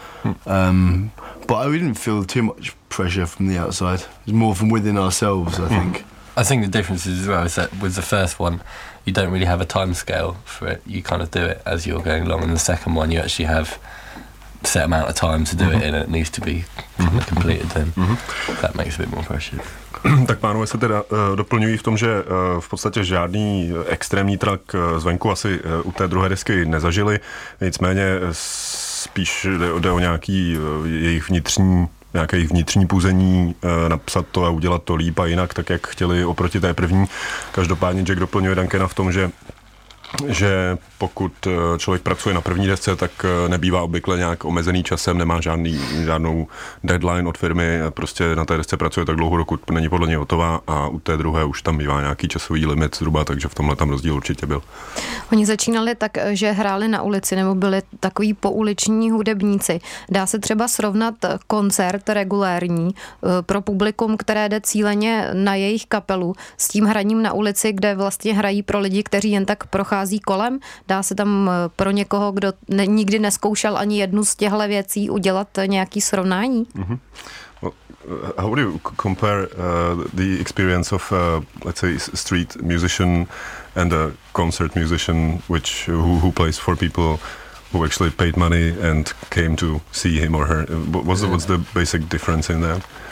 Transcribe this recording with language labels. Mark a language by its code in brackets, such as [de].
[en] But I didn't feel too much pressure from the outside. It's more from within ourselves, I think. I think the difference as well is that with the first one, you don't really have a time scale for it. You kind of do it as you're going along. And the second one, you actually have a set amount of time to do it in, and it needs to be completed then. That makes a bit more pressure. [cs] Tak pánové se teda doplňují v tom, že v podstatě žádný extrémní tlak zvenku asi u té druhé desky nezažili. Nicméně spíš jde o nějaký jejich vnitřní, nějaké jejich vnitřní půzení, napsat to a udělat to líp a jinak, tak jak chtěli oproti té první. Každopádně Jack doplňuje Duncana v tom, že pokud člověk pracuje na první desce, tak nebývá obvykle nějak omezený časem, nemá žádnou deadline od firmy, prostě na té desce pracuje tak dlouho, dokud není podle něj hotová, a u té druhé už tam bývá nějaký časový limit zhruba, takže v tomhle tam rozdíl určitě byl. Oni začínali tak, že hráli na ulici, nebo byli takový pouliční hudebníci. Dá se třeba srovnat koncert regulérní pro publikum, které jde cíleně na jejich kapelu, s tím hraním na ulici, kde vlastně hrají pro lidi, kteří jen tak prochází kolem? Dá se tam pro někoho, kdo nikdy neskoušel ani jednu z těchto věcí, udělat nějaký srovnání? Mm-hmm. [en] Well, how do you compare the experience of, let's say, street musician and a concert musician, who plays for people who actually paid money and came to see him or her? What's the basic difference in that?